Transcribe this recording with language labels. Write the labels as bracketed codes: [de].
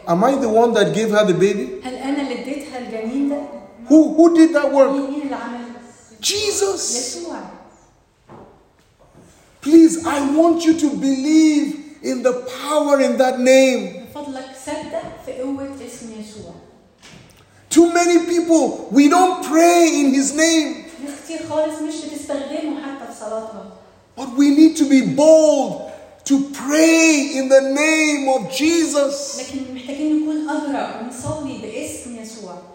[en] Am I the one that gave her the baby? [ar] هل أنا اللي اديتها الجنين ده؟ [en] Who did that work? [ar] مين اللي عمل؟ [en] Jesus. [ar] يسوع. [en] Please, I want you to believe in the power in that name. [ar] بفضلك صدق في قوة اسم يسوع. [en] Too many people, we don't pray in his name. [ar] ناس كتير خالص مش بتستخدمه حتى في صلاتها. [en] But we need to be bold to pray in the name of Jesus. [ar] لكن محتاجين نكون أجرأ ونصلي باسم يسوع.